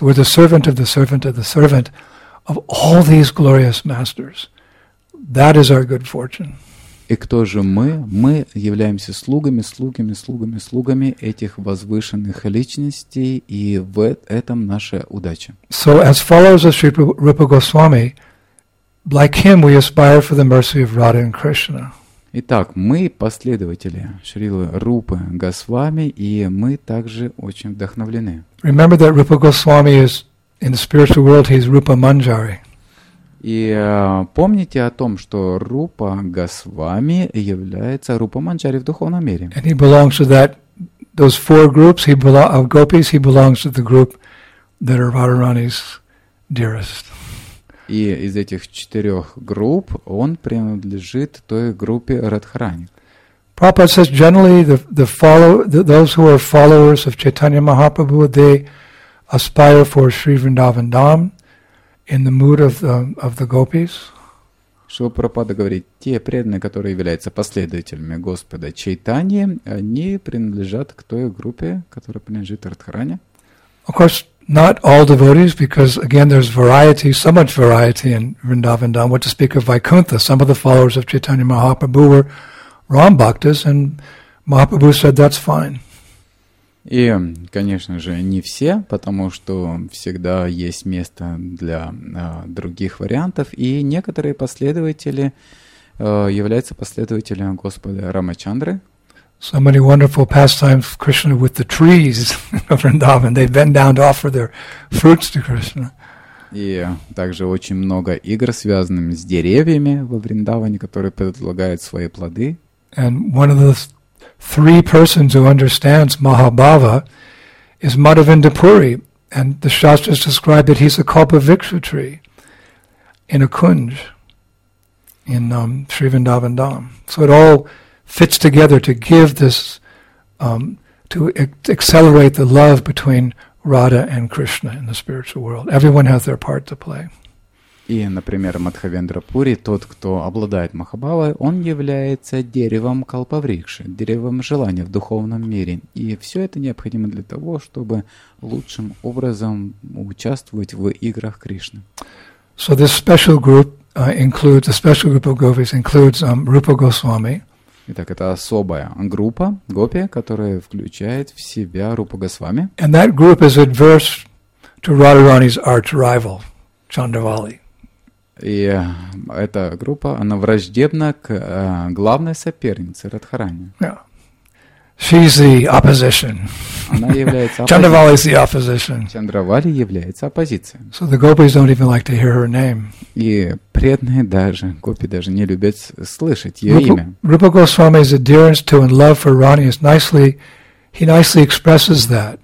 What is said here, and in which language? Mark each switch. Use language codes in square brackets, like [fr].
[en] We're the servant of the servant of the servant of all these glorious masters. That is our good fortune. [ru] И кто же мы? Мы являемся слугами, слугами, слугами, слугами этих возвышенных личностей, и в этом наша удача. [en] So as followers of Śrīla Rūpa Gosvāmī, like him, we aspire for the mercy of Radha and Krishna. [ru] Итак, мы последователи Шрилы Рупы Госвами, и мы также очень вдохновлены. [en] Remember that Rupa Goswami is in the spiritual world, he's Rupa Manjari. [ru] И помните о том, что Рупа Госвами является Рупа Манджари в духовном мире. [en] And he belongs to that, those four groups he belong, of gopis, he belongs to the group that are Radharani's dearest. [ru] И из этих четырех групп он принадлежит той группе Радхарани. [en] Prabhupada says generally those who are followers of Chaitanya Mahaprabhu, they aspire for Sri Vrindavan Dham in the mood of the gopis. [ru] Шрила Прабхупада говорит, те преданные, которые являются последователями Господа Чайтани, они принадлежат к той группе, которая принадлежит Радхарани. [en] Of course, not all devotees, because again, there's variety, so much variety in Vrindavan Dham. What to speak of Vaikuntha? Some of the followers of Chaitanya Mahaprabhu were Ram Bhaktas, and Mahaprabhu said that's fine. [ru] И, конечно же, не все, потому что всегда есть место для других вариантов. И некоторые последователи являются последователями Господа Рамачандры. [en] So many wonderful pastimes of Krishna with the trees of Vrindavan. They bend down to offer their fruits to Krishna. [ru] И также очень много игр, связанных с деревьями во Вриндаване, которые предлагают свои плоды. [en] And one of the three persons who understands Mahabhava is Madhavendra Puri. And the Shastras describe that he's a Kalpavriksha tree in a kunj in Sri Vrindavan Dham. So it all fits together to give this, to accelerate the love between Radha and Krishna in the spiritual world. Everyone has their part to play. [ru] И, например, Мадхавендра Пури, тот, кто обладает Махабхавой, он является деревом Калпаврикши, деревом желания в духовном мире. И все это необходимо для того, чтобы лучшим образом участвовать в играх Кришны. [en] So this special group includes, a special group of gopis includes Rupa Goswami. [ru] Итак, это особая группа гопи, которая включает в себя Рупа Госвами. [en] And that group is adverse to Radharani's arch rival, Chandravali. [ru] И эта группа, она враждебна к главной сопернице Радхарани. [en] Yeah. She's the opposition. Chandravali is the opposition. [ru] Чандравали является оппозицией. [en] So the gopis don't even like to hear her name. [ru] И преданные даже, гопи даже не любят слышать ее имя. [en] Rupa Goswami's adherence to and love for Rani is nicely, he nicely expresses that.